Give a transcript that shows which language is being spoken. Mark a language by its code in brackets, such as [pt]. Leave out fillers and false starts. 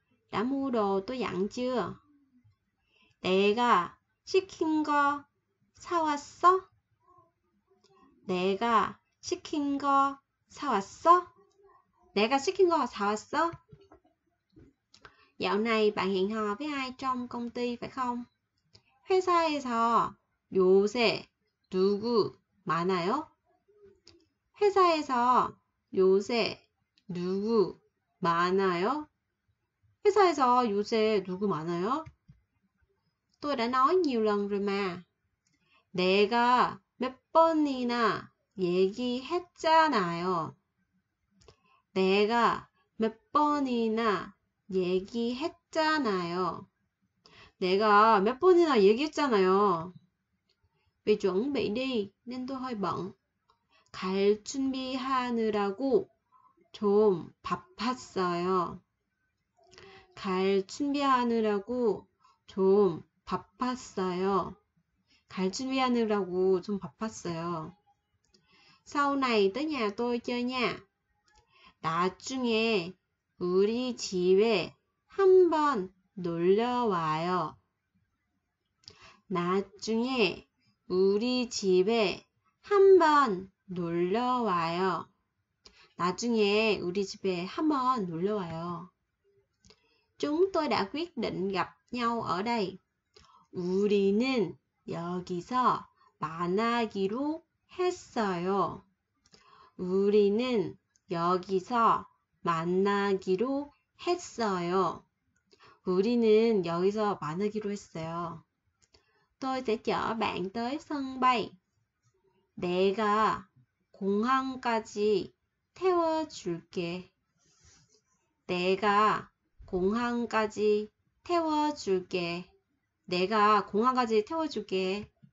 [ko] 나무로 또 양지요. 내가 시킨 거 사왔어? 내가 시킨 거 사왔어? 내가 시킨 거 사왔어? [vi] Dạo này bạn hẹn hò với ai trong công ty phải không? [ko] 회사에서 요새 누구 많아요? 회사에서 요새 누구 많아요? 회사에서 요새 누구 많아요? [vi] Tôi đã nói nhiều lần rồi mà. [ko] 내가 몇 번이나 얘기했잖아요. 내가 몇 번이나 얘기했잖아요. 내가 몇 번이나 얘기했잖아요. [vi] Vì chuẩn bị đi nên tôi hơi bận. [ko] 갈 준비하느라고 좀 바빴어요. 갈 준비하느라고 좀 바빴어요. 갈 준비하느라고 좀 바빴어요. [vi] Sau này tới nhà tôi chơi nha. [ko] 나중에 우리 집에 한번 놀러 와요. 나중에 우리 집에 한번 놀러 와요. 나중에 우리 집에 한번 놀러 와요. [vi] Chúng tôi đã quyết định gặp nhau ở đây. [ko] 우리는 여기서 만나기로 했어요. 우리는 여기서 만나기로 했어요. 우리는 여기서 만나기로 했어요. [vi] Tôi sẽ chở bạn tới sân bay. [ko] 내가 공항까지 태워줄게. 내가 공항까지 태워줄게. 내가 공항까지 태워줄게.